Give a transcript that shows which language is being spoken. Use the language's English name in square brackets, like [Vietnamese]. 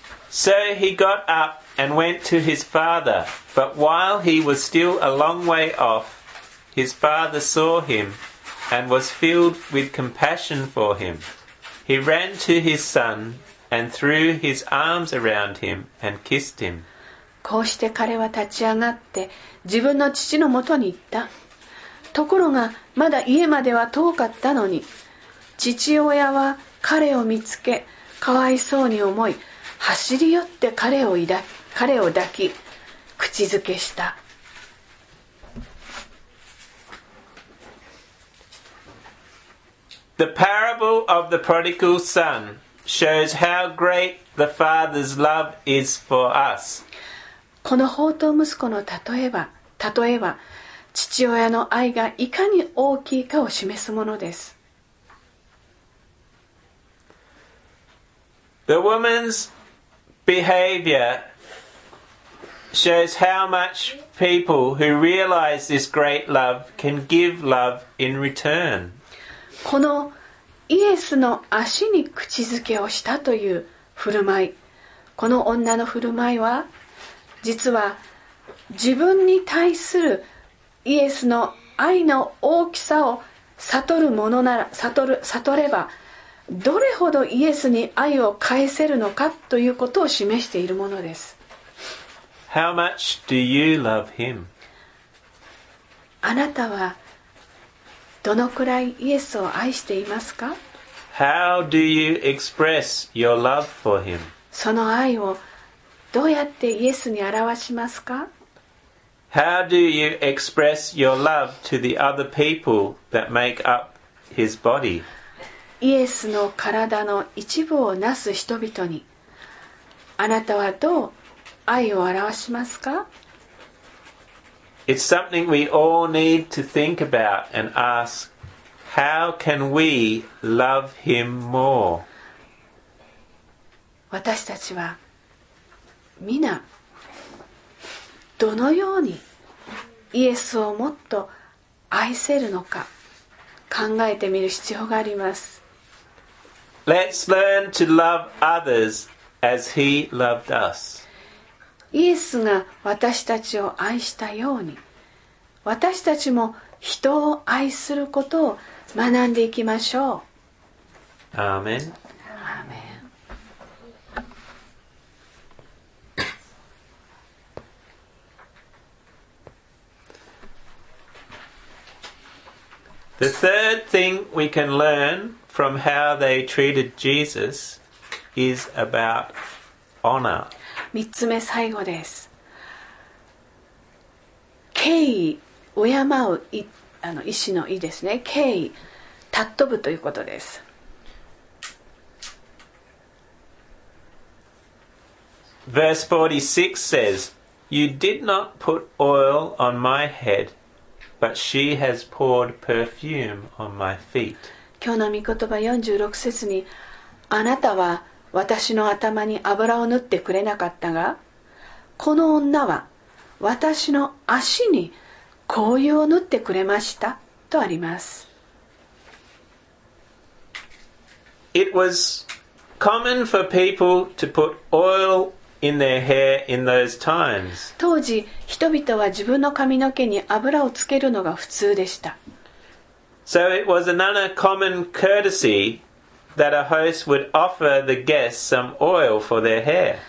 [English] So he got up and went to his father, but while he was still a long way off, his father saw him and was filled with compassion for him. He ran to his son and threw his arms around him and kissed him. [Japanese] こうして彼は立ち上がって自分の父のもとに行った。ところがまだ家までは遠かったのに、父親は彼を見つけかわいそうに思い、走り寄って彼を抱き口づけした。 [English] The parable of the prodigal son shows how great the father's love is for us. [Japanese] この放蕩息子の例えば父親の愛がいかに大きいかを示すものです。 [English] The woman'sBehavior shows how much people who realize this great love can give love in return. [Japanese] このイエスの足に口づけをしたという振る舞い、この女の振る舞いは、実は自分に対するイエスの愛の大きさを悟るものなら、悟れば、どれほどイエスに愛を返せるのかということを示しているものです。 [English] How much do you love him? [Japanese] あなたはどのくらいイエスを愛していますか? [English] How do you express your love for him? [Japanese] その愛をどうやってイエスに表しますか? [English] How do you express your love to the other people that make up his body? [Japanese] イエスの体の一部をなす人々に、あなたはどう愛を表しますか? [English] It's something we all need to think about and ask, how can we love him more? [Japanese] 私たちは、皆、どのようにイエスをもっと愛せるのか、考えてみる必要があります。 [English] Let's learn to love others as he loved us. [Japanese] イエスが私たちを愛したように、私たちも人を愛することを学んでいきましょう。アーメン。アーメン。 [English] The third thing we can learnfrom how they treated Jesus is about honor. [Japanese] 三つ目最後です。敬意、敬う意、あの意志の意ですね。敬意、尊ぶということです。 [English] Verse 46 says, You did not put oil on my head, but she has poured perfume on my feet. [Japanese] 今日の御言葉46節に、あなたは私の頭に油を塗ってくれなかったが、この女は私の足に香油を塗ってくれましたとあります。 [English] It was common for people to put oil in their hair in those times. [Japanese] 当時、人々は自分の髪の毛に油をつけるのが普通でした。 [English] So it was another common courtesy that a host would offer the guests some oil for their hair.